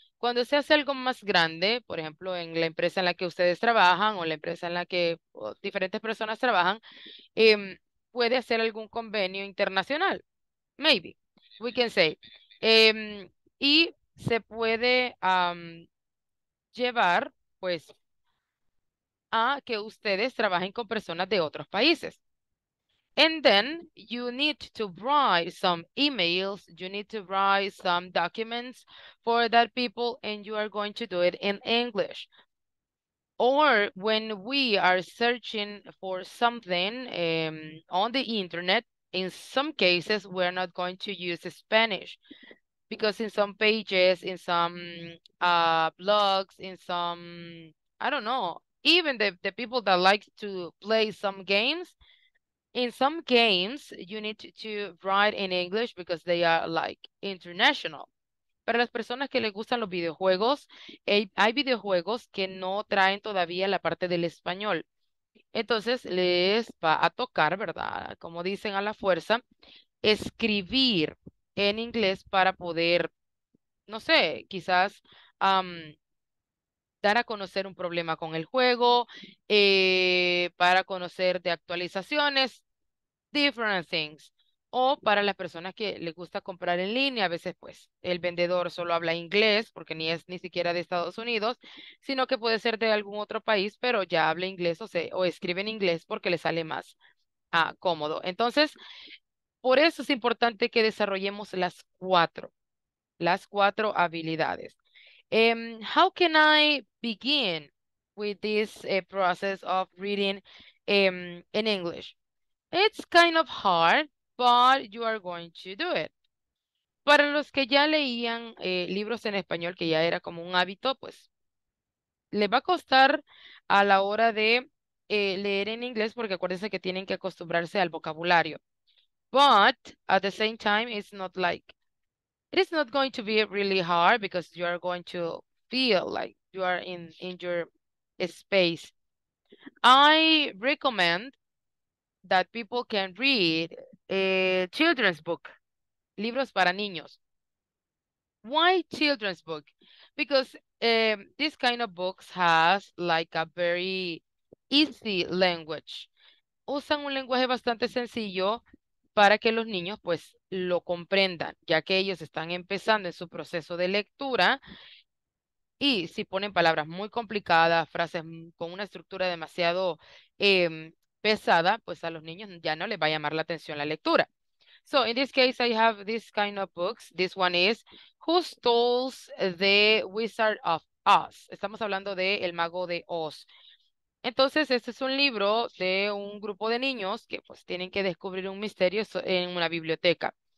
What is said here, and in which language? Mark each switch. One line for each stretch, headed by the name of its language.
Spanish: Cuando se hace algo más grande, por ejemplo, en la empresa en la que ustedes trabajan o la empresa en la que diferentes personas trabajan, puede hacer algún convenio internacional.
English: Maybe. We can say.
Spanish: Y se puede llevar, pues, a que ustedes trabajen con personas de otros países.
English: And then you need to write some emails, you need to write some documents for that people, and you are going to do it in English. Or when we are searching for something on the internet, in some cases, we're not going to use Spanish. Because in some pages, in some blogs, in some, I don't know, even the people that like to play some games, in some games, you need to write in English because they are like international.
Spanish: Para las personas que les gustan los videojuegos, hay videojuegos que no traen todavía la parte del español. Entonces, les va a tocar, ¿verdad? Como dicen a la fuerza, escribir en inglés para poder, no sé, quizás dar a conocer un problema con el juego, para conocer de actualizaciones,
English: different things.
Spanish: O para las personas que les gusta comprar en línea, a veces pues el vendedor solo habla inglés porque ni es ni siquiera de Estados Unidos, sino que puede ser de algún otro país, pero ya habla inglés o escribe en inglés porque le sale más cómodo. Entonces, por eso es importante que desarrollemos las cuatro habilidades.
English: How can I begin with this process of reading in English? It's kind of hard, but you are going to do it.
Spanish: Para los que ya leían libros en español, que ya era como un hábito, pues le va a costar a la hora de leer en inglés porque acuérdense que tienen que acostumbrarse al vocabulario.
English: But at the same time, it's not like, it is not going to be really hard because you are going to feel like you are in your space. I recommend that people can read a children's book,
Spanish: libros para niños.
English: Why children's book? Because this kind of books has like a very easy language.
Spanish: Usan un lenguaje bastante sencillo para que los niños pues lo comprendan, ya que ellos están empezando en su proceso de lectura y si ponen palabras muy complicadas, frases con una estructura demasiado pesada, pues a los niños ya no les va a llamar la atención la lectura.
English: So in this case, I have this kind of books. This one is Who Stole the Wizard of Oz?
Spanish: Estamos hablando de El Mago de Oz. Entonces, este es un libro de un grupo de niños que pues tienen que descubrir un misterio en una biblioteca.